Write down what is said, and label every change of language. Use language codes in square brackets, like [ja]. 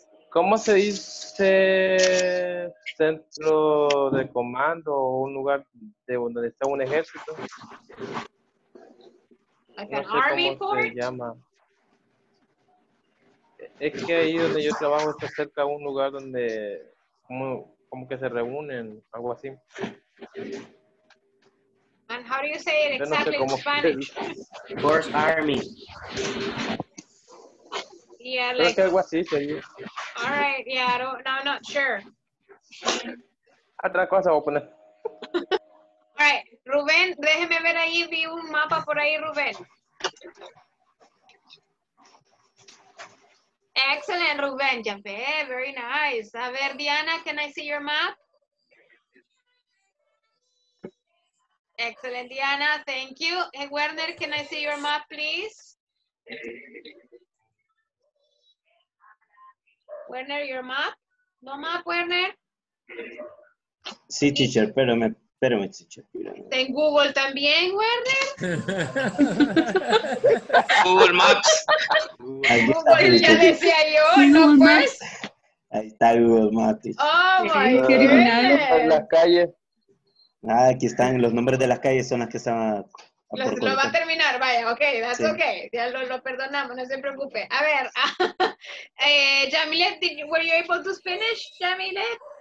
[es] ¿Cómo se dice centro de comando o un lugar de donde está un ejército? [en] Like no an army port? [es] Se llama. Es que ahí donde yo trabajo está cerca de un lugar donde como que se reúnen, algo así. [en] And how do you say it exactly in Spanish? Force Army. Yeah, like, [es] creo que algo así sería. [en] All right, yeah, I don't, no, I'm not sure. [es] Otra cosa voy a poner. [en] All right, [es] Rubén, déjeme ver ahí, vi un mapa por ahí, Rubén. [en] Excellent, Rubén, [es] ya ve, [en] very nice. [es] A ver, [en] Diana, can I see your map? Excellent, Diana, thank you. Hey, Werner, can I see your map, please? Werner, your map? No map, Werner? [es] Sí, teacher, espérame, teacher. ¿Está en Google también, Werner? [en] Google Maps. [es] Ahí está, Google, ya decía yo, ¿no, pues? Ahí está Google Maps. [en] Oh, my goodness. [es] En la calle. Ah, aquí están los nombres de las calles, son las que están. Lo va a terminar, vaya, [en] ok, that's [es] sí. Okay. Ya lo perdonamos, no se preocupe. A ver, [en] Jamilet, were you able to finish, Jamilet?